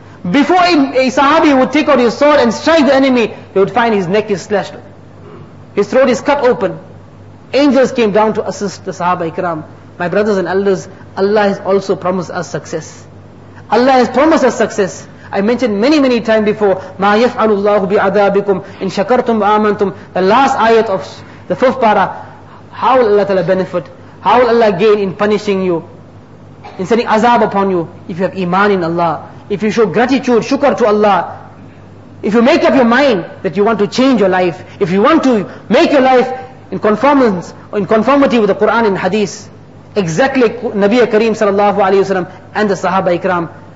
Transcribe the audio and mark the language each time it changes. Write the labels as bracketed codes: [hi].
[en] Before a Sahabi would take out his sword and strike the enemy, he would find his neck is slashed. His throat is cut open. Angels came down to assist the Sahaba Ikram. My brothers and elders, Allah has also promised us success. Allah has promised us success. I mentioned many times before, [ar] مَا يَفْعَلُ اللَّهُ بِعَذَابِكُمْ إِن شَكَرْتُمْ وَآمَنْتُمْ. [en] The last ayat of the fifth para, how will Allah ta'ala benefit? How will Allah gain in punishing you, in sending azab upon you, if you have iman in Allah, if you show gratitude, shukr to Allah, if you make up your mind that you want to change your life, if you want to make your life in conformity with the Quran and Hadith, exactly Nabi Kareem sallallahu alayhi wasallam and the Sahaba Ikram.